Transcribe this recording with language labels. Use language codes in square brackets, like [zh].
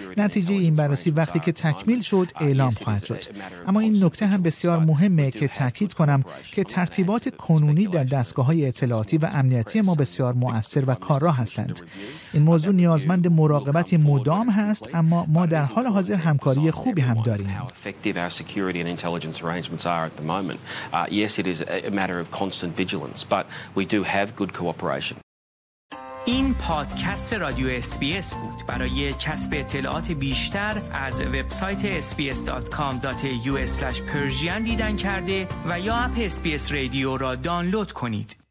[fa] نتیجه این بررسی وقتی که تکمیل شد اعلام خواهد شد. اما این نکته هم بسیار مهمه که تاکید کنم که ترتیبات کنونی در دستگاه های اطلاعاتی و امنیتی ما بسیار مؤثر و کارا هستند. این موضوع نیازمند مراقبت مدام هست، اما ما در حال حاضر همکاری خوبی هم داریم. [en] Effective our security and intelligence arrangements are at the moment. Yes, it is a matter of constant vigilance, but we do have good cooperation. [fa] این پادکست رادیو SBS بود. برای کسب اطلاعات بیشتر از وبسایت sbs.com.au/persian دیدن کرده و یا اپ SBS رادیو را دانلود کنید.